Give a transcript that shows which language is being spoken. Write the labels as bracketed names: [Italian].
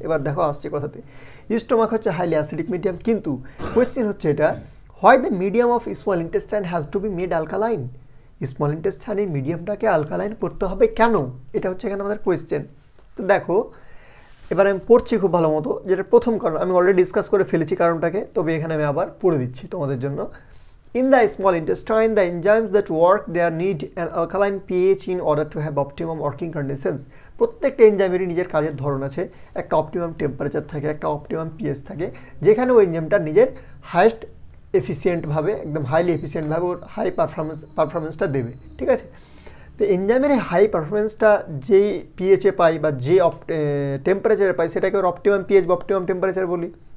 [Bangla] এবার দেখো আসছে কথাতে, [English] stomach হচ্ছে highly acidic medium, [Bangla] কিন্তু [English] question [Bangla] হচ্ছে এটা, [English] Why the medium of small intestine has to be made alkaline? [Bangla] Small ইন্টেস্টাইনের মিডিয়ামটাকে alkaline করতে হবে কেন? এটা হচ্ছে এখানে আমাদের কোয়েশ্চেন। তো দেখো, এবার আমি পড়ছি খুব ভালো মতো, যেটা প্রথম কারণ আমি অলরেডি ডিসকাস করে ফেলেছি কারণটাকে, তবে এখানে আমি আবার পড়ে দিচ্ছি তোমাদের জন্য। [English] In the small intestine, the enzymes that work there need an alkaline pH in order to have optimum working conditions. [Bangla] প্রত্যেকটা এনজাইমেরই নিজের কাজের ধরন আছে, একটা অপটিমাম টেম্পারেচার থাকে, একটা অপটিমাম পিএইচ থাকে, যেখানে ওই এনজাইমটা নিজের হাইয়েস্ট এফিসিয়েন্টভাবে, একদম হাইলি এফিসিয়েন্টভাবে ওর হাই পারফরমেন্সটা দেবে, ঠিক আছে? তো এনজাইমের হাই পারফরমেন্সটা যেই পিএইচে পাই বা যে টেম্পারেচারে পাই, সেটাকে ওর অপটিমাম পিএইচ বা অপটিমাম টেম্পারেচার বলি।